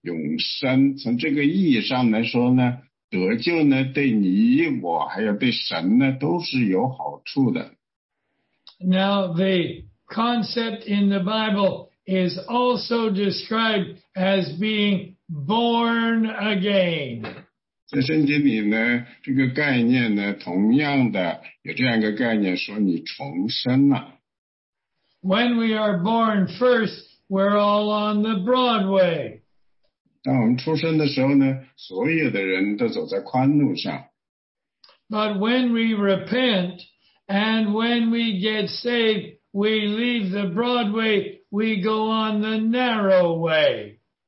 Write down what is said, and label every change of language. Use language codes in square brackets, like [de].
[zh] 从神的意义上来说呢，如果神看见你们呢，在这个窄路上啊，在这个宽路上一直走，走到最后呢，他会失去我们，所以这样呢，神呢，他也得不到什么益处，所以神呢，他想要我们得救，他想要我们得救呢，这样呢，他把我们得救以后呢，他想要爱我们，想要赐福给我们，想要给我们永生。从这个意义上来说呢。 [en] Now, the concept in the Bible is also described as being born again. [zh] 在圣经里呢，这个概念呢，同样的有这样一个概念，说你重生了。 [en] When we are born first, we're all on the Broadway. [zh] 当我们出生的时候呢，所有的人都走在宽路上。 [en] But when we repent and when we get saved, we leave the Broadway, we go on the narrow way.